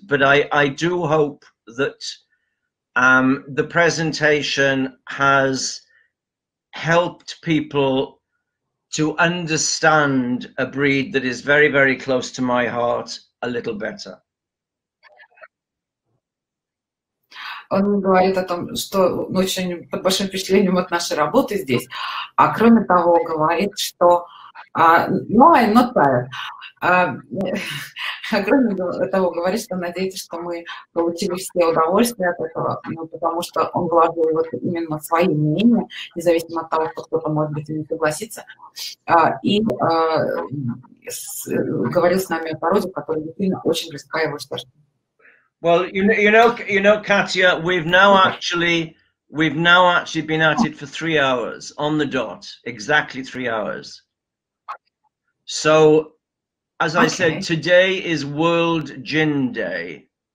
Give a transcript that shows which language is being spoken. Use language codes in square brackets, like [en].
[en] But I do hope that the presentation has helped people to understand a breed that is very, very close to my heart a little better. [ru] Он говорит о том, что очень под большим впечатлением от нашей работы здесь, а кроме того говорит, что кроме того говорит, что надеется, что мы получили все удовольствие от этого, ну, потому что он вложил вот именно свои мнения, независимо от того, что кто-то может быть не согласится, говорил с нами о породе, которая действительно очень близка его сердцу. [en] Well, you know, Katya, we've now actually been at it for 3 hours on the dot, exactly 3 hours. So, as I said, today is World Gin Day.